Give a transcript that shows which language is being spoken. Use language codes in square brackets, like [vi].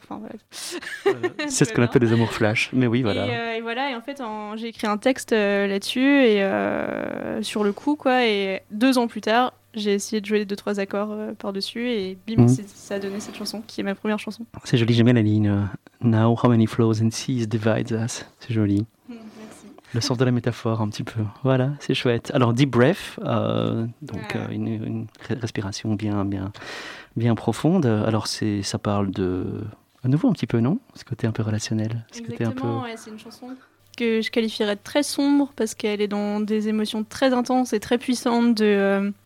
[fr] Enfin, voilà. C'est ce qu'on appelle les amours flash. Mais oui, voilà. Et voilà, et en fait, j'ai écrit un texte là-dessus, et sur le coup, quoi. Et 2 ans plus tard, j'ai essayé de jouer 2-3 accords par-dessus et bim, ça a donné cette chanson qui est ma première chanson. C'est joli, j'aime la ligne. [en] Now how many flows and seas divides us. [fr] C'est joli. Merci. Le sens de la métaphore un petit peu. Voilà, c'est chouette. Alors [en] deep breath, [fr] une respiration bien profonde. Alors ça parle de... À nouveau un petit peu, non ? Ce côté un peu relationnel. C'est une chanson que je qualifierais de très sombre parce qu'elle est dans des émotions très intenses et très puissantes de...